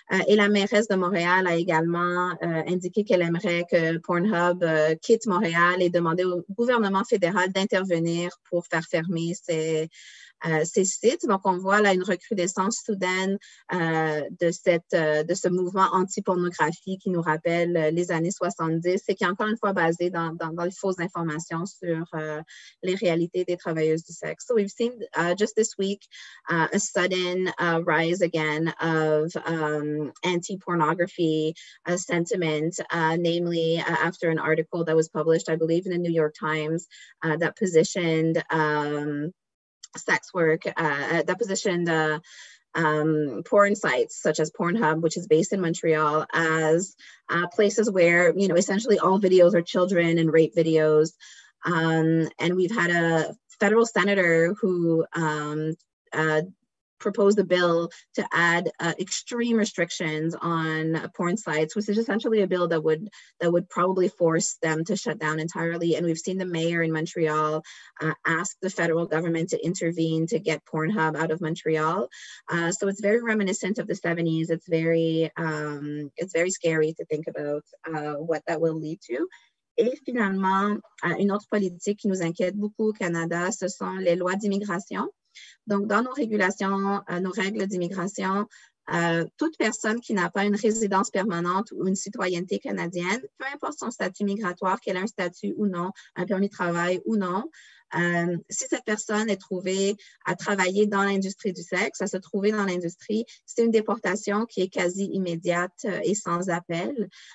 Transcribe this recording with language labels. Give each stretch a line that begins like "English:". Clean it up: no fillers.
French: Et la mairesse de Montréal a également indiqué qu'elle aimerait que Pornhub quitte Montréal et demander au gouvernement fédéral d'intervenir pour faire fermer ces sites. Donc, on voit là une recrudescence soudaine de ce mouvement anti-pornographie qui nous rappelle les années 70 et qui est encore une fois basé dans les fausses informations sur les réalités des travailleuses du sexe.
English: So, we've seen just this week a sudden rise again of anti-pornography sentiment, namely after an article that was published, I believe, in the New York Times that positioned sex work, that positioned porn sites such as Pornhub, which is based in Montreal, as places where, you know, essentially all videos are children and rape videos. And we've had a federal senator who proposed a bill to add extreme restrictions on porn sites, which is essentially a bill that would probably force them to shut down entirely. And we've seen the mayor in Montreal ask the federal government to intervene to get Pornhub out of Montreal. So it's very reminiscent of the 70s. It's very scary to think about what that will lead to.
French: Et finalement, une autre politique qui nous inquiète beaucoup au Canada, ce sont les lois d'immigration. Donc, dans nos régulations, nos règles d'immigration, toute personne qui n'a pas une résidence permanente ou une citoyenneté canadienne, peu importe son statut migratoire, qu'elle ait un statut ou non, un permis de travail ou non, si cette personne est trouvée à travailler dans l'industrie du sexe, à se trouver dans l'industrie, c'est une déportation qui est quasi immédiate et sans appel.